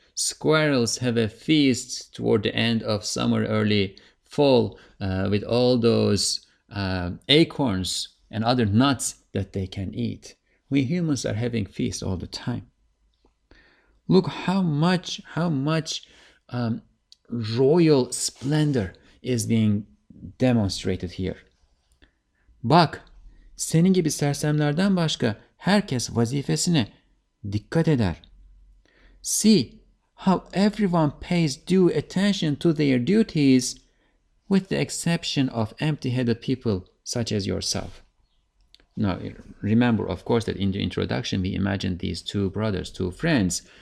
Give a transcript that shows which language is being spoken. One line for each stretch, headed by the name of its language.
English: Squirrels have a feast toward the end of summer, early fall, with all those acorns and other nuts that they can eat. We humans are having feasts all the time. Look how much royal splendor is being demonstrated here.
Turkish: Bak, senin gibi sersemlerden başka herkes vazifesine dikkat eder.
English: See how everyone pays due attention to their duties, with the exception of empty-headed people such as yourself. Now, remember, of course, that in the introduction we imagined these two brothers, two friends.